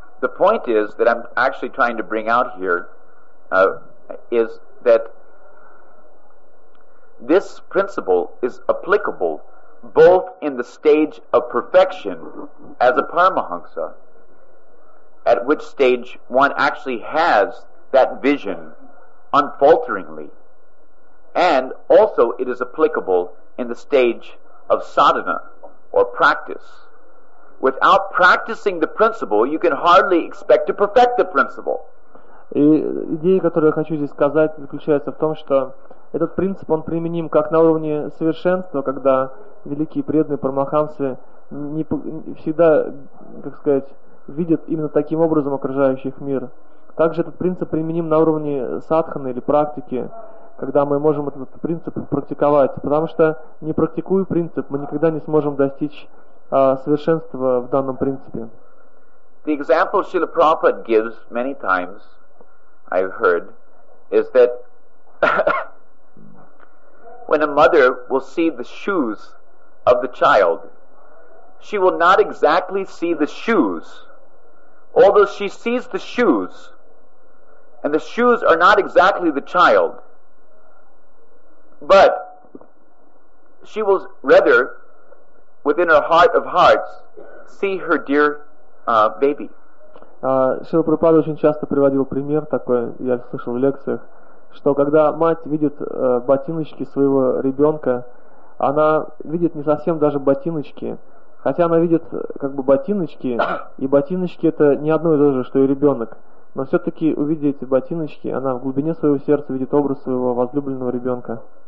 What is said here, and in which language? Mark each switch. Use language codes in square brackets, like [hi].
[en] The point is that I'm actually trying to bring out here is that this principle is applicable both in the stage of perfection as a paramahansa, at which stage one actually has that vision unfalteringly, and also it is applicable in the stage of sadhana or practice. Without practicing the principle, you can hardly expect to perfect the principle. [ru] И идея, которую я хочу здесь сказать, заключается в том, что этот принцип, он применим как на уровне совершенства, когда великие преданные парамахансы не всегда, как сказать, видят именно таким образом окружающий их мир. Также этот принцип применим на уровне садханы или практики, когда мы можем этот принцип практиковать, потому что, не практикуя принцип, мы никогда не сможем достичь совершенства в данном принципе. [en] The example Srila Prabhupada gives many times, I've heard, is that when a mother will see the shoes of the child, she will not exactly see the shoes. Although she sees the shoes, and the shoes are not exactly the child, but she will rather, within her heart of hearts, see her dear baby. [ru] Шрила Прабхупада очень часто приводил пример такой, я слышал в лекциях, что когда мать видит ботиночки своего ребенка, она видит не совсем даже ботиночки, хотя она видит как бы ботиночки, и ботиночки — это не одно и то же, что и ребенок, но все-таки, увидев эти ботиночки, она в глубине своего сердца видит образ своего возлюбленного ребенка.